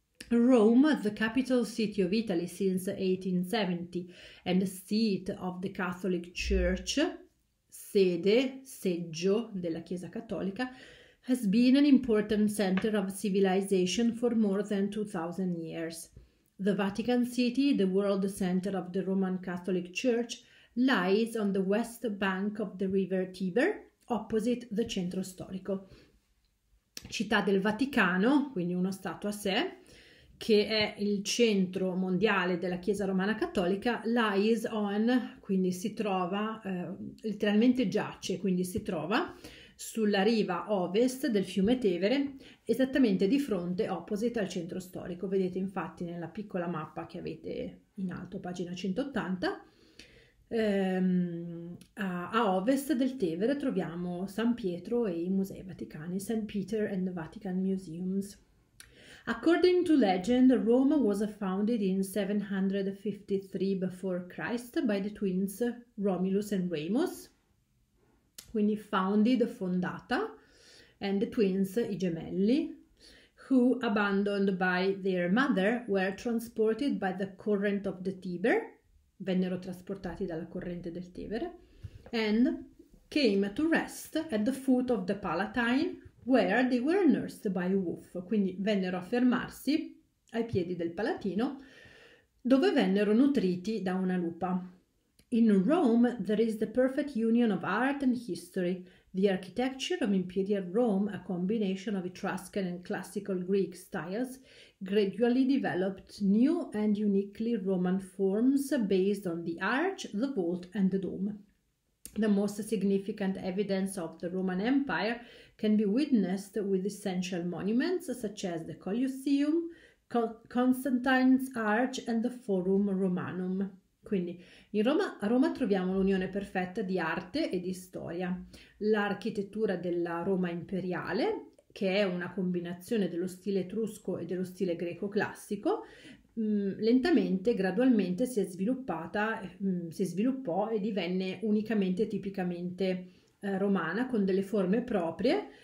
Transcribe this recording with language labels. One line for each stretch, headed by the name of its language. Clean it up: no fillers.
English: Rome, the capital city of Italy since 1870 and seat of the Catholic Church,
Italian: sede, seggio della Chiesa Cattolica,
English: has been an important center of civilization for more than 2000 years. The Vatican City, the world center of the Roman Catholic Church, lies on the west bank of the river Tiber, opposite the centro storico.
Italian: Città del Vaticano, quindi uno stato a sé, che è il centro mondiale della Chiesa Romana Cattolica,
English: lies on,
Italian: quindi si trova, letteralmente giace, quindi si trova sulla riva ovest del fiume Tevere, esattamente di fronte, opposite al centro storico. Vedete infatti nella piccola mappa che avete in alto, pagina 180, a ovest del Tevere troviamo San Pietro e i Musei Vaticani, St.
English: Peter and the Vatican Museums. According to legend, Rome was founded in 753 before Christ by the twins Romulus and Remus.
Italian: Quindi
English: founded,
Italian: fondata,
English: and the twins,
Italian: i gemelli,
English: who, abandoned by their mother, were transported by the current of the Tiber,
Italian: vennero trasportati dalla corrente del Tevere,
English: and came to rest at the foot of the Palatine, where they were nursed by a wolf.
Italian: Quindi vennero a fermarsi ai piedi del Palatino, dove vennero nutriti da una lupa.
English: In Rome there is the perfect union of art and history. The architecture of Imperial Rome, a combination of Etruscan and classical Greek styles, gradually developed new and uniquely Roman forms based on the arch, the vault, and the dome. The most significant evidence of the Roman Empire can be witnessed with essential monuments such as the Colosseum, Constantine's Arch, and the Forum Romanum.
Italian: Quindi a Roma troviamo l'unione perfetta di arte e di storia. L'architettura della Roma imperiale, che è una combinazione dello stile etrusco e dello stile greco classico, lentamente, gradualmente si è sviluppata, si sviluppò e divenne unicamente, tipicamente, romana, con delle forme proprie.